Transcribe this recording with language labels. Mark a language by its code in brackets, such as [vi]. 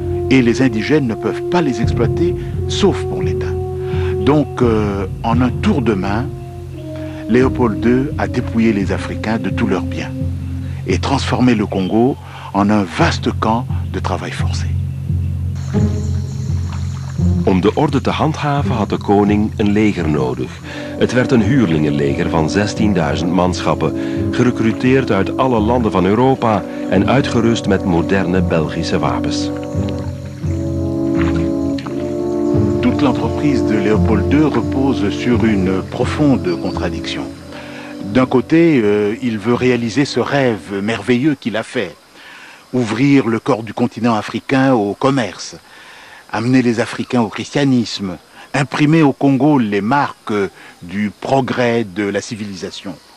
[fr] Et les indigènes ne peuvent pas les exploiter, sauf pour l'État. Donc, en un tour de main, Léopold II a dépouillé les Africains de tous leurs biens et transformé le Congo en un vaste camp de travail forcé. [nl] Om de orde te handhaven had de koning een leger nodig. Het werd een huurlingenleger van 16.000 manschappen, gerecruiteerd uit alle landen van Europa en uitgerust met moderne Belgische wapens. [fr] Toute l'entreprise de Léopold II repose sur une profonde contradiction. D'un côté, il veut réaliser ce rêve merveilleux qu'il a fait, ouvrir le corps du continent africain au commerce. Amener les Africains au christianisme, imprimer au Congo les marques du progrès de la civilisation.